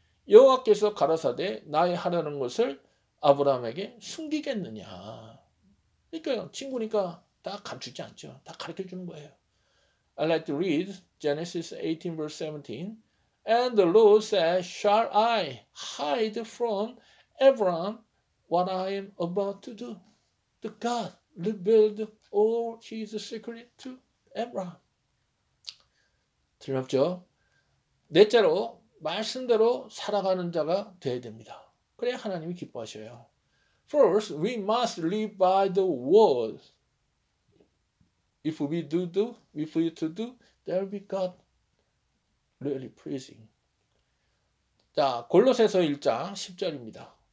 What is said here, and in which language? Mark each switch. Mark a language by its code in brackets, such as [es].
[ko] 여호와께서 가라사대 나의 하려는 것을 아브라함에게 숨기겠느냐. 그러니까 친구니까 다 감추지 않죠. 다 가르쳐주는 거예요. [en] I'd like to read Genesis 18 verse 17. And the Lord said, Shall I hide from Abraham what I am about to do? The God revealed all his secret to Abraham. [ko] 틀림없죠. 넷째로 말씀대로 살아가는 자가 돼야 됩니다. 그래야 하나님이 기뻐하셔요. [en] First, we must live by the word. If we do, if we to do, there will be God really pleasing. [ko] 자, 골로새서 1장 10절입니다.